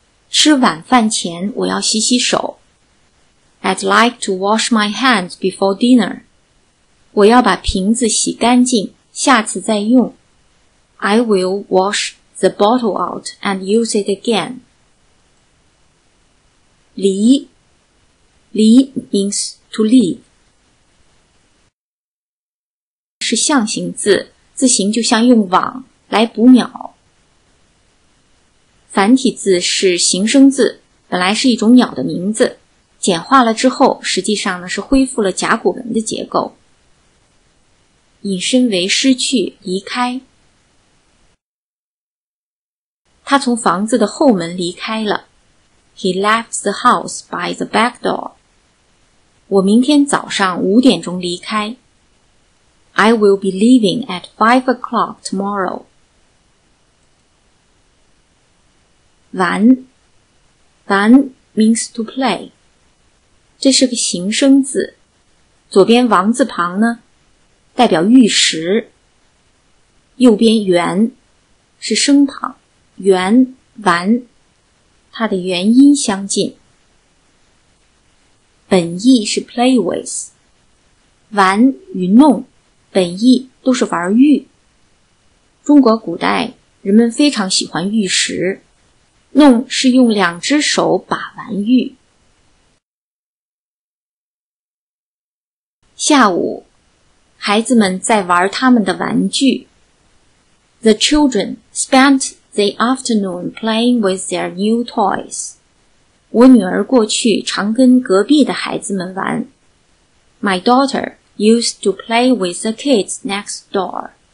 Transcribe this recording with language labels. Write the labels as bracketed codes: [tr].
[zh] 吃晚饭前我要洗洗手。 [en] I'd like to wash my hands before dinner. [zh] 我要把瓶子洗干净，下次再用。 [en] I will wash the bottle out and use it again. [zh] 离 [en] means to leave. [zh] 是象形字，字形就像用网来捕鸟。繁体字是形声字，本来是一种鸟的名字，简化了之后实际上呢是恢复了甲骨文的结构。引申为失去、离开。他从房子的后门离开了。 [en] He left the house by the back door. [zh] 我明天早上五点钟离开。 [en] I will be leaving at 5 o'clock tomorrow. 玩。玩 means to play. [zh] 这是个形声字。左边王字旁呢代表玉石，右边圆是声旁，圆丸，它的元音相近。本意是 [en] play with， [zh] 玩与弄，本意都是玩玉。中国古代人们非常喜欢玉石，弄是用两只手把玩玉。下午孩子们在玩他们的玩具。 [en] The children spent the afternoon playing with their new toys. [zh] 我女儿过去常跟隔壁的孩子们玩。 [en] My daughter used to play with the kids next door.